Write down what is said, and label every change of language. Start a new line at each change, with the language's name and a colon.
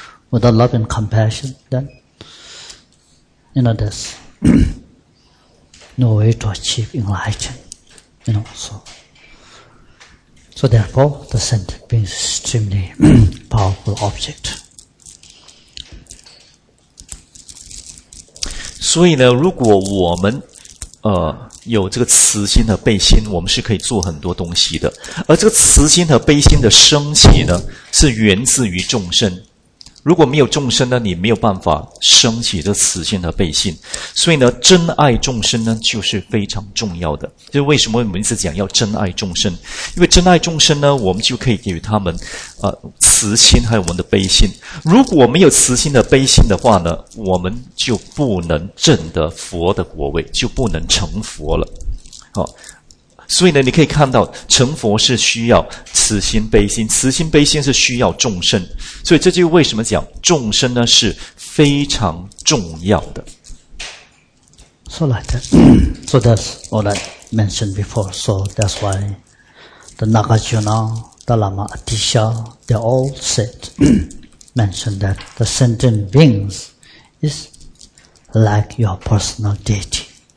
English: Without love and compassion, then, you know, there's no way to achieve enlightenment. You know, so therefore, the sentient beings are extremely powerful object.
Chinese: 所以呢，如果我们有这个慈心和悲心，我们是可以做很多东西的。而这个慈心和悲心的升起呢，是源自于众生。如果没有众生呢，你没有办法升起这慈心和悲心。所以呢，珍爱众生呢，就是非常重要的。就是为什么我们一直讲要珍爱众生？因为珍爱众生呢，我们就可以给予他们慈心还有我们的悲心。如果没有慈心的悲心的话呢，我们就不能证得佛的果位，就不能成佛了。好，所以呢，你可以看到成佛是需要慈心悲心，慈心悲心是需要众生，所以这就是为什么讲众生呢是非常重要的。
English: So like that, so that's all I mentioned before. So that's why the Nagarjuna, the Lama Atisha, they all said mentioned that the sentient beings is like your personal deity.